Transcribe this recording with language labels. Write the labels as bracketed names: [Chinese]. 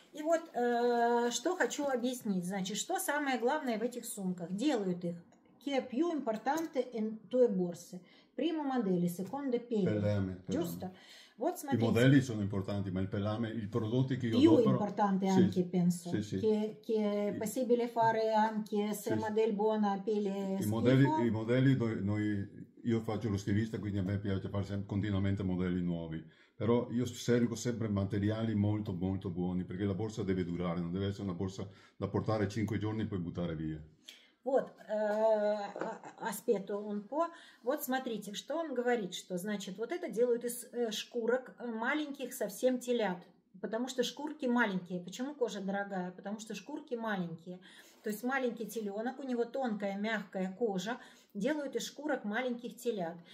[Russian] И вот что хочу объяснить, значит, что самое главное в этих сумках? Делают их [Italian] che più importante in tue borse, prima modelli, seconda pelame, giusto? [Russian] Вот смотрите. [Italian] I modelli sono importanti, ma il pelame, i prodotti che io più adoro... importante sì, anche penso, sì, sì. Che possibile fare anche se sì, sì. Modelli buona pelle. I modelli noi io faccio lo stilista, quindi a me piace fare sempre, continuamente modelli nuovi, però io scelgo sempre materiali molto molto buoni, perché la borsa deve durare, non deve essere una borsa da portare 5 giorni e poi buttare via. [Russian] Вот, аспету он по, вот смотрите, что он говорит, что значит, вот это делают из шкурок маленьких совсем телят, потому что шкурки маленькие. Почему кожа дорогая? Потому что шкурки маленькие. То есть маленький теленок, у него тонкая, мягкая кожа, делают из шкурок маленьких телят.